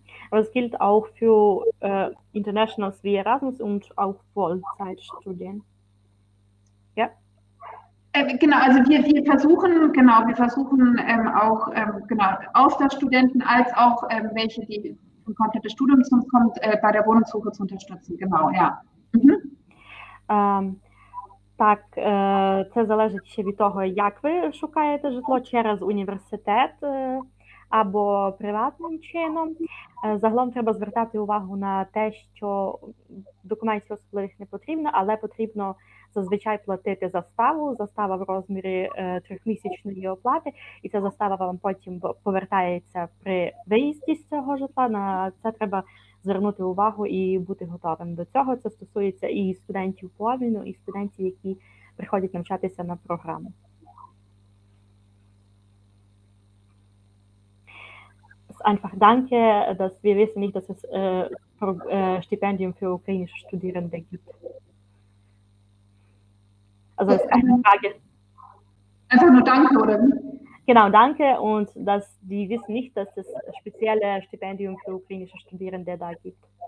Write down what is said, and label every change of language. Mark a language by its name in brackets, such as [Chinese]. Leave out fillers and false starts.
[German] Aber es gilt auch für Internationals wie Erasmus und auch Vollzeitstudien. Ja. Genau, also wir versuchen auch genau Austauschstudenten als auch welche, die ein komplettes Studium zu uns kommt, bei der Wohnungssuche zu unterstützen. Genau, ja. [Ukrainian] Так, це залежить ще від того, як ви шукаєте житло через університет або приватним чином. Загалом треба звертати увагу на те, що документів особливих не потрібно, але потрібно зазвичай платити заставу, застава в розмірі 3-місячної оплати, і ця застава вам потім повертається при виїзді з цього житла. На це треба звернути увагу і бути готовим до цього. Це стосується і студентів повільно, і студентів, які приходять навчатися на програму. [German] Einfach danke, dass wir wissen nicht, dass es Stipendium für ukrainische Studierende gibt. Also ist keine Frage. Einfach nur danke, oder? Genau, danke, und dass die wissen nicht, dass es spezielle Stipendium für ukrainische Studierende da gibt.